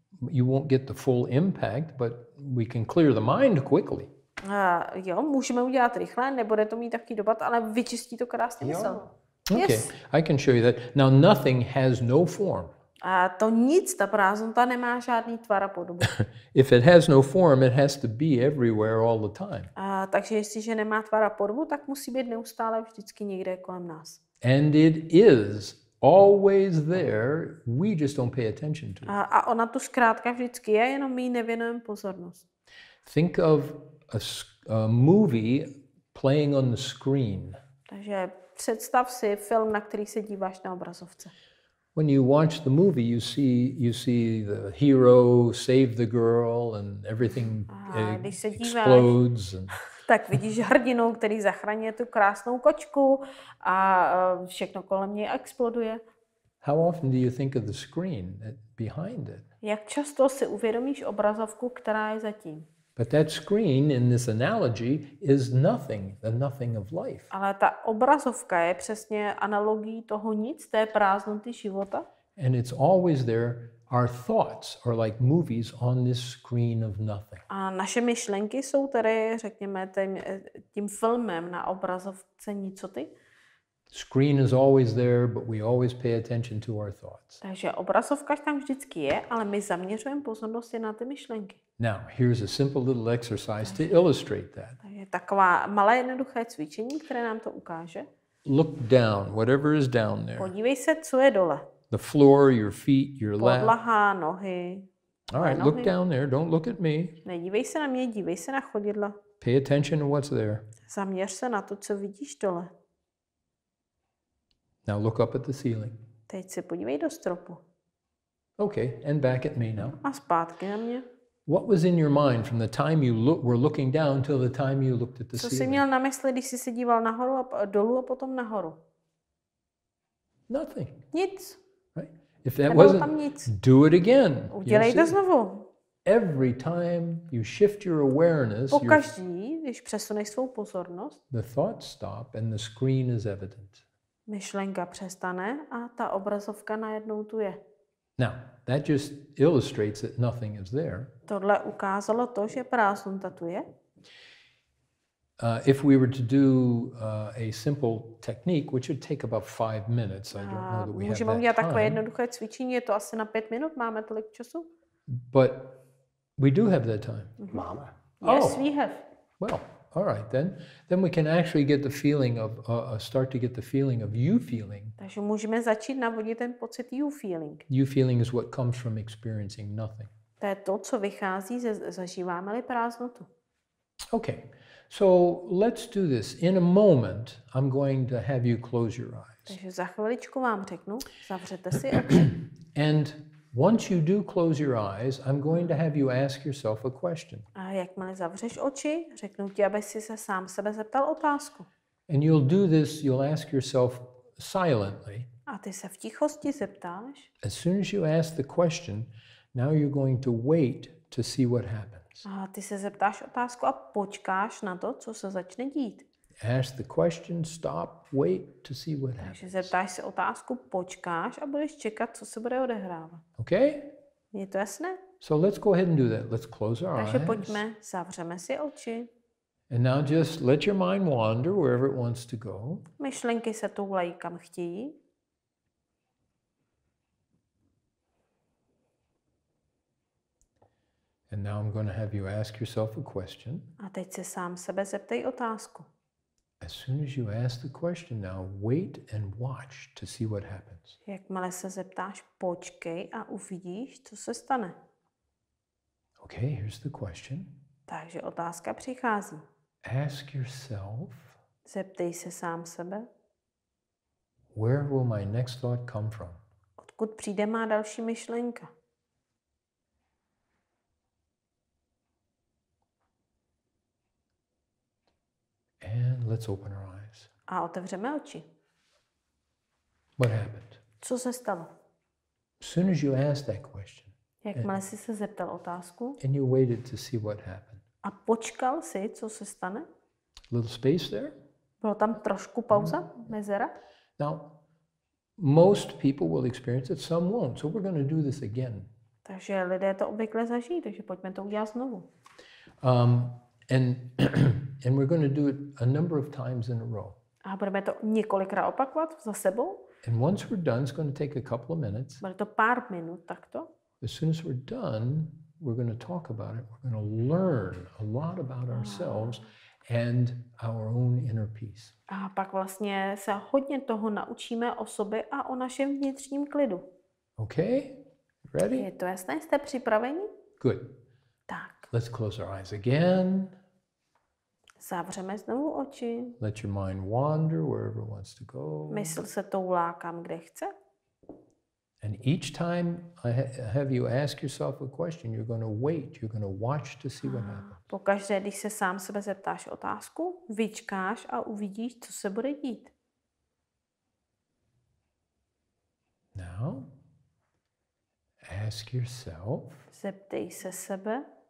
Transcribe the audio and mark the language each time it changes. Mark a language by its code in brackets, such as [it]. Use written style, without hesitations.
[en] You won't get the full impact, but we can clear the mind quickly. [cs] Jo, můžeme udělat rychle, nebude to mít takový dopad, ale vyčistí to krásně mysl. [en] Yes. Okay, I can show you that. Now nothing has no form. [cs] To nic, ta prázdnota nemá žádný tvar a podobu. [en] If it has no form, it has to be everywhere all the time. [cs] Takže jestliže nemá tvar a podobu, tak musí být neustále vždycky někde kolem nás. [en] And it is always there, we just don't pay attention to it. [cs] A ona tu zkrátka vždycky je, jenom my nevěnujeme pozornost. [en] Think of a movie playing on the screen. [cs] Takže představ si film, na který se díváš na obrazovce. [en] When you watch the movie, you see the hero save the girl and everything explodes. [cs] Tak vidíš hrdinu, který zachraňuje tu krásnou kočku a všechno kolem něj exploduje. [en] How often do you think of the screen behind it? [cs] Jak často si uvědomíš obrazovku, která je za tím? [en] But that screen in this analogy is nothing, the nothing of life. [cs] Ale ta obrazovka je přesně analogií toho nic, té prázdnoty života. [en] And it's always there. Our thoughts are like movies on this screen of nothing. [cs] A naše myšlenky jsou tedy, řekněme, tím filmem na obrazovce nicoty. [en] Screen is always there, but we always pay attention to our thoughts. [cs] Takže obrazovka tam vždycky je, ale my zaměřujeme pozornost na ty myšlenky. [en] Now, here's a simple little exercise to illustrate that. [cs] Je taková malé jednoduché cvičení, které nám to ukáže. [en] Look down, whatever is down there. [cs] Podívej se, co je dole. [en] The floor, your feet, your lap. [cs] Podlaha, nohy. [en] All right, look down there, don't look at me. [cs] Nedívej se na mě, dívej se na chodidla. [en] Pay attention to what's there. [cs] Zaměř se na to, co vidíš dole. [en] Now look up at the ceiling. [cs] Teď se podívej do stropu. [en] Okay, and back at me now. [cs] A zpátky na mě. [en] What was in your mind from the time you were looking down till the time you looked at the ceiling? [cs] Co jsi měl na mysli, když jsi se díval nahoru a dolů a potom nahoru? [en] Nothing. [cs] Nic. [en] If that wasn't, do it again. [cs] Udělej to znovu. [en] Every time you shift your awareness, [cs] pokaždý, když přesuneš svou pozornost, [en] the thoughts stop and the screen is evident. [cs] Myšlenka přestane a ta obrazovka najednou tu je. [en] Now, that just illustrates that nothing is there. [cs] Tohle ukázalo to, že prázdnota tu je. [en] If we were to do a simple technique, which would take about 5 minutes, I don't know that we have that time. [cs] Můžeme takové jednoduché cvičení, je to asi na 5 minut, máme tolik času? [en] But we do have that time. [cs] Máme. [en] Yes, we have. Well, all right then. Then we can actually get the feeling of, start to get the feeling of you feeling. [cs] Takže můžeme začít navodit ten pocit [en] you feeling. You feeling is what comes from experiencing nothing. [cs] To je to, co vychází ze zažíváme-li prázdnotu. [en] Okay. So let's do this. In a moment, I'm going to have you close your eyes. [cs] Takže za chviličku vám řeknu, zavřete si oči. [en] And once you do close your eyes, I'm going to have you ask yourself a question. [cs] A jakmile zavřeš oči, řeknu ti, aby si se sám sebe zeptal otázku. [en] And you'll do this, you'll ask yourself silently. [cs] A ty se v tichosti zeptáš. [en] As soon as you ask the question, now you're going to wait to see what happens. [cs] A ty se zeptáš otázku a počkáš na to, co se začne dít. [en] Ask the question, stop, wait to see what happens. [cs] Takže zeptáš se otázku, počkáš a budeš čekat, co se bude odehrávat. [en] Okay? [cs] Je to jasné? [en] So let's go ahead and do that. Let's close our [cs] Takže [en] eyes. [cs] Takže pojďme, zavřeme si oči. [en] And now just let your mind wander wherever it wants to go. [cs] Myšlenky se toulají kam chtějí. [en] And now I'm going to have you ask yourself a question. [cs] A teď se sám sebe zeptej otázku. [en] As soon as you ask the question, now wait and watch to see what happens. [cs] Jakmile se zeptáš, počkej a uvidíš, co se stane. [en] Okay, here's the question. [cs] Takže otázka přichází. [en] Ask yourself. [cs] Zeptej se sám sebe. [en] Where will my next thought come from? [cs] Odkud přijde má další myšlenka? [en] And let's open our eyes. [cs] A otevřeme oči. [en] What happened? [cs] Co se stalo? [en] As soon as you asked that question. [cs] Jakmile jsi se zeptal otázku. [en] And you waited to see what happened. [cs] A počkal jsi, co se stane? [en] A little space there? [cs] Bylo tam trošku pauza, mezera? [en] Now, most people will experience it, some won't. So we're going to do this again. [cs] Takže lidé to obvykle zažijí, takže pojďme to udělat znovu. [en] And we're going to do it a number of times in a row. [cs] A budeme to několikrát opakovat za sebou. [en] And once we're done, it's going to take a couple of minutes. [cs] Bude to pár minut takto. [en] As soon as we're done, we're going to talk about it. We're going to learn a lot about ourselves and our own inner peace. [cs] A pak vlastně se hodně toho naučíme o sobě a o našem vnitřním klidu. [en] Okay? Ready? [cs] Je to jasné? Jste připraveni? [en] Good. [cs] Tak. [en] Let's close our eyes again. [cs] Zavřeme znovu oči. [en] Let your mind wander wherever it wants to go. [cs] Mysl se toulá kam, kde chce. [en] And each time I have you ask yourself a question, you're going to wait, you're going to watch to see what happens. [cs] Pokaždé, když se sám sebe zeptáš otázku, vyčkáš a uvidíš, co se bude dít. [en] Now, ask yourself. [cs] Zeptej se sebe.